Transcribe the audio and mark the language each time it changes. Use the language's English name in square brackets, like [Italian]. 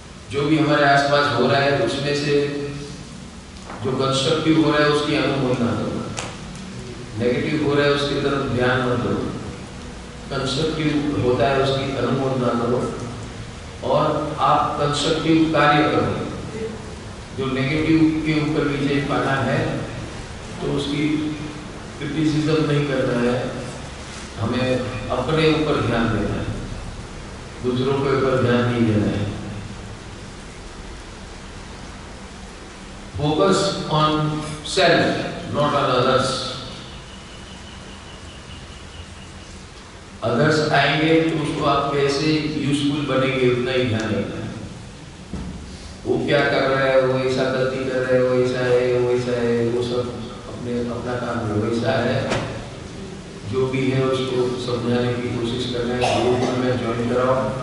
[Hindi] जो भी हमारे आसपास हो रहा है उसमें से जो कंस्ट्रक्टिव हो रहा है उसकी अनुमोदना करो, नेगेटिव हो रहा है उसकी तरफ ध्यान मत दो, कंस्ट्रक्टिव होता है उसकी अनुमोदना करो और आप कंस्ट्रक्टिव कार्य करो। जो नेगेटिव के ऊपर विजय पाना है तो उसकी क्रिटिसिज्म नहीं करना है, हमें अपने ऊपर ध्यान देना है, दूसरों के ऊपर ध्यान नहीं देना है। [English] Focus on self, not on others. [Hindi] Others आएंगे तो उसको आप कैसे useful बनेंगे उतना ही ध्यान रखना है। वो क्या कर रहा है, वो ऐसा गलती कर रहा है, वो ऐसा है, वो सब अपने अपना काम है, वैसा है। जो भी है उसको समझाने की कोशिश कर रहे हैं, लोगों में ज्वाइन कराओ।